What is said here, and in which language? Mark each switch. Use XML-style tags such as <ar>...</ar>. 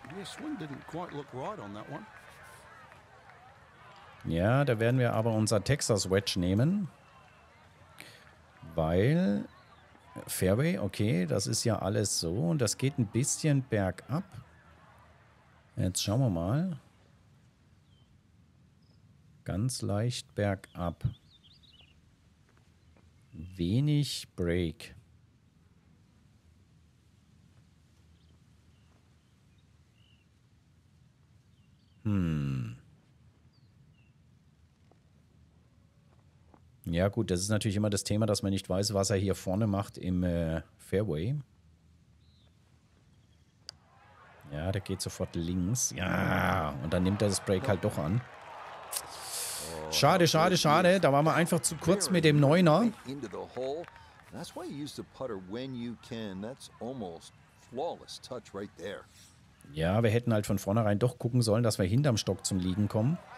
<en>Your swing didn't quite look right on that one.</en> <de>Ja, da werden wir aber unser Texas Wedge nehmen. Weil Fairway, okay, das ist ja alles so. Und das geht ein bisschen bergab. Jetzt schauen wir mal. Ganz leicht bergab. Wenig Break. Ja gut, das ist natürlich immer das Thema, dass man nicht weiß, was er hier vorne macht im Fairway. Ja, der geht sofort links. Ja, und dann nimmt er das Break halt doch an. Schade, schade, schade. Da waren wir einfach zu kurz mit dem Neuner.</de> <en>That's why you use the putter when you can. That's almost flawless touch right there.</en> <de>Ja, wir hätten halt von vornherein doch gucken sollen, dass wir hinterm Stock zum Liegen kommen.</de>